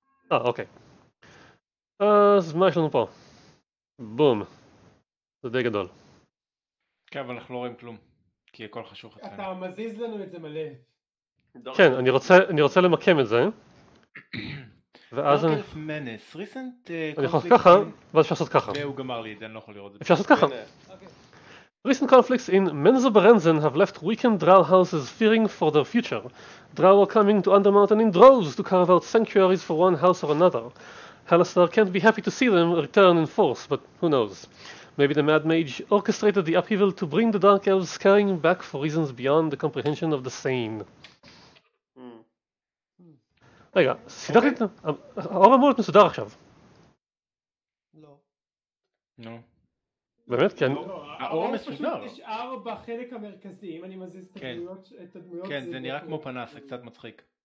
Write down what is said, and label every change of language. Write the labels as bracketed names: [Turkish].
[Hebrew] אוקיי. אז מה יש לנו פה? בום. זה די גדול. כן, אבל אנחנו לא רואים כלום. כי הכל חשוך. אתה מזיז לנו את זה מלא. כן, אני רוצה למקם את זה. ואז אני... דרקלף מנס, ריסנט... אני יכול לעשות ככה, ואז אפשר לעשות ככה. והוא גמר לי את זה, אני לא יכול לראות את זה. אפשר לעשות ככה. [English] Recent conflicts in Menzo Berenzen have left weakened drow houses fearing for their future. Drow are coming to Undermountain in droves to carve out sanctuaries for one house or another. Halastar can't be happy to see them return in force, but who knows. Maybe the Mad Mage orchestrated the upheaval to bring the Dark Elves scurrying back for reasons beyond the comprehension of the sane. [Hebrew] רגע, סידרתי את... הרוב אמור להיות מסודר עכשיו. לא. נו. באמת? כן. האור מסודר. יש אר בחלק המרכזי, אם אני מזיז את הדמויות... כן, זה נראה כמו פנס, זה קצת מצחיק.